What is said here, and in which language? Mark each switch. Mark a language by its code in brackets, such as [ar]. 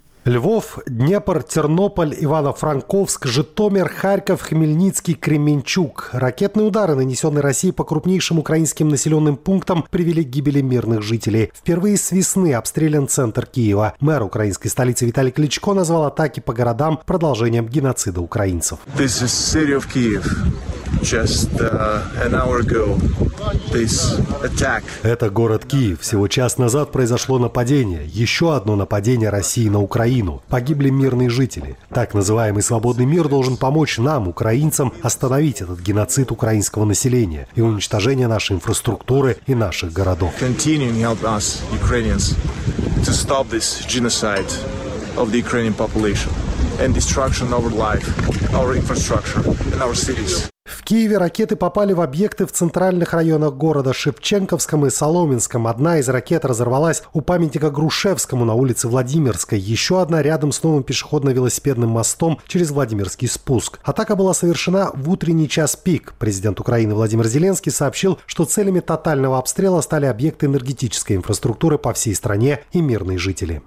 [ru] Львов, Днепр, Тернополь, Ивано-Франковск, Житомир, Харьков, Хмельницкий, Кременчук. Ракетные удары, нанесенные Россией по крупнейшим украинским населенным пунктам, привели к гибели мирных жителей. Впервые с весны обстрелян центр Киева. Мэр украинской столицы Виталий Кличко назвал атаки по городам продолжением геноцида украинцев. [en] This is city of Kyiv. Just an hour ago, this attack. [ru] Это город Киев. Всего час назад произошло нападение. Еще одно нападение России на Украину. Погибли мирные жители. Так называемый свободный мир должен помочь нам, украинцам, остановить этот геноцид украинского населения и уничтожение нашей инфраструктуры и наших городов. [en] Continuing to help us, Ukrainians, to stop this genocide of the Ukrainian population and destruction of our life, our infrastructure and our cities. [ru] В Киеве ракеты попали в объекты в центральных районах города Шевченковском и Соломенском. Одна из ракет разорвалась у памятника Грушевскому на улице Владимирской. Еще одна рядом с новым пешеходно-велосипедным мостом через Владимирский спуск. Атака была совершена в утренний час пик. Президент Украины Владимир Зеленский сообщил, что целями тотального обстрела стали объекты энергетической инфраструктуры по всей стране и мирные жители.